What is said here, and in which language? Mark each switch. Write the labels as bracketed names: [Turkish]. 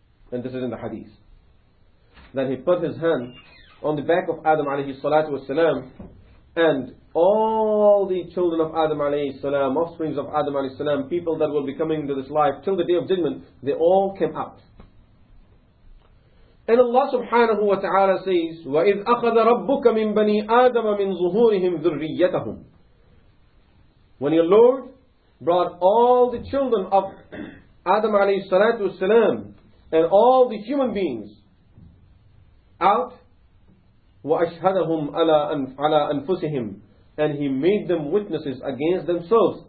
[English] And this is in the hadith. Then He put His hand on the back of Adam alayhi salatu wasalam, and all the children of Adam alayhi salam, offsprings of Adam alayhi salam, people that will be coming into this life till the day of judgment, they all came out. And Allah subhanahu wa ta'ala says, [Arabic] وَإِذْ أَخَذَ رَبُّكَ مِنْ بَنِي آدَمَ مِنْ ظُهُورِهِمْ ذُرِّيَّتَهُمْ. [English] When your Lord brought all the children of Adam alayhi salatu wasalam and all the human beings out, [Arabic] وَأَشْهَدَهُمْ عَلَىٰ أَنفُسِهِمْ, [English] and He made them witnesses against themselves.